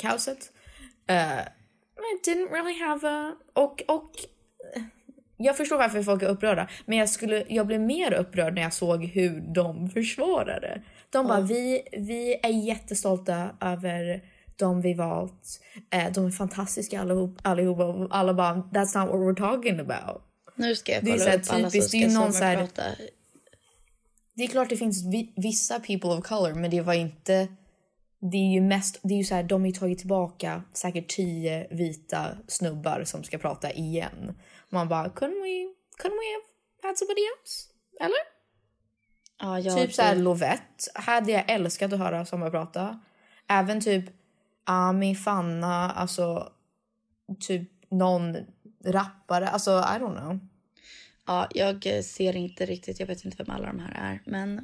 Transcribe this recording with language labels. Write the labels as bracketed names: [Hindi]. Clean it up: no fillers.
[English] Kaoset. I didn't really have a... [Swedish] Och jag förstår varför folk är upprörda. Men jag blev mer upprörd när jag såg hur de försvarade. De bara, vi är jättestolta över de vi valt. De är fantastiska allihop. Alla bara, [English] that's not what we're talking about. [Swedish] Nu ska jag kolla upp typiskt, alla som ska sommarprata. Det är klart det finns vissa [English] people of color, [Swedish] men det var inte... Det är ju mest, det är ju så här, de har ju tagit tillbaka säkert 10 vita snubbar som ska prata igen. Man bara, [English] couldn't we have had somebody else? [Swedish] Eller? Ah, ja, typ så här, Lovette. Hade jag älskat att höra som jag prata. Även typ Ami, Fanna, alltså typ någon rappare. Alltså, [English] I don't know. [Swedish] Ja, jag ser inte riktigt. Jag vet inte vem alla de här är. Men,